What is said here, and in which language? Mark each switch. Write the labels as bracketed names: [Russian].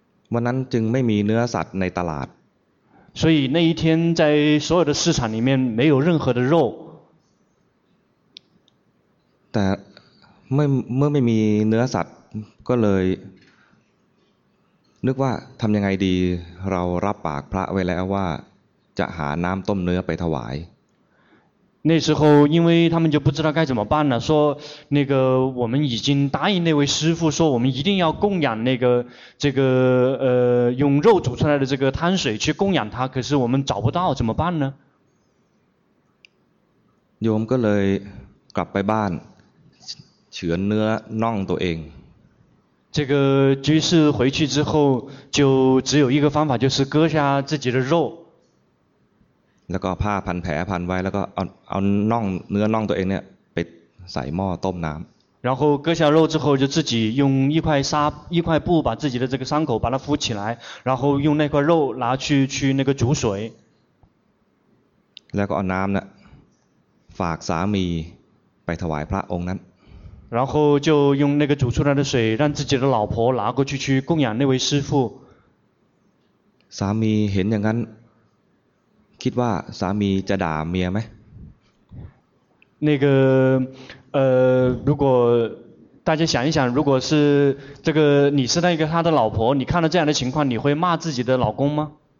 [Thai] วันนั้นจึงไม่มีเนื้อสัตว์ในตลาด [Chinese] 所以那一天在所有的市场里面没有任何的肉 [Thai] แต่เมื่อไม่มีเนื้อสัตว์ก็เลยนึกว่าทำยังไงดีเรารับปากพระไว้แล้วว่าจะหาน้ำต้มเนื้อไปถวาย [Chinese] 那时候因为他们就不知道该怎么办了说那个我们已经答应那位师父说我们一定要供养那个这个用肉煮出来的这个汤水去供养他可是我们找不到怎么办呢 [Thai] โยมก็เลยกลับไปบ้านเฉือนเนื้อน่องตัวเอง [Chinese] 这个居士回去之后就只有一个方法就是割下自己的肉 [Thai] แล้วก็ผ้าพันแผลพันไว้แล้วก็เอาน่องเนื้อน่องตัวเองเนี่ยไป ใส่หม้อต้มน้ำ [Chinese] 然后割下肉之后就自己用一块纱一块布把自己的这个伤口把它敷起来然后用那块肉拿去去那个煮水 [Thai] แล้วก็เอาน้ำน่ะฝากสามีไปถวายพระองค์นั้น [Chinese] 然后就用那个煮出来的水让自己的老婆拿过去去供养那位师父 [Thai] สามีเห็นอย่างนั้นคิดว่าสามีจะด่าเมียไหม [Chinese] 那个如果大家想一想如果是这个你是那个他的老婆你看到这样的情况你会骂自己的老公吗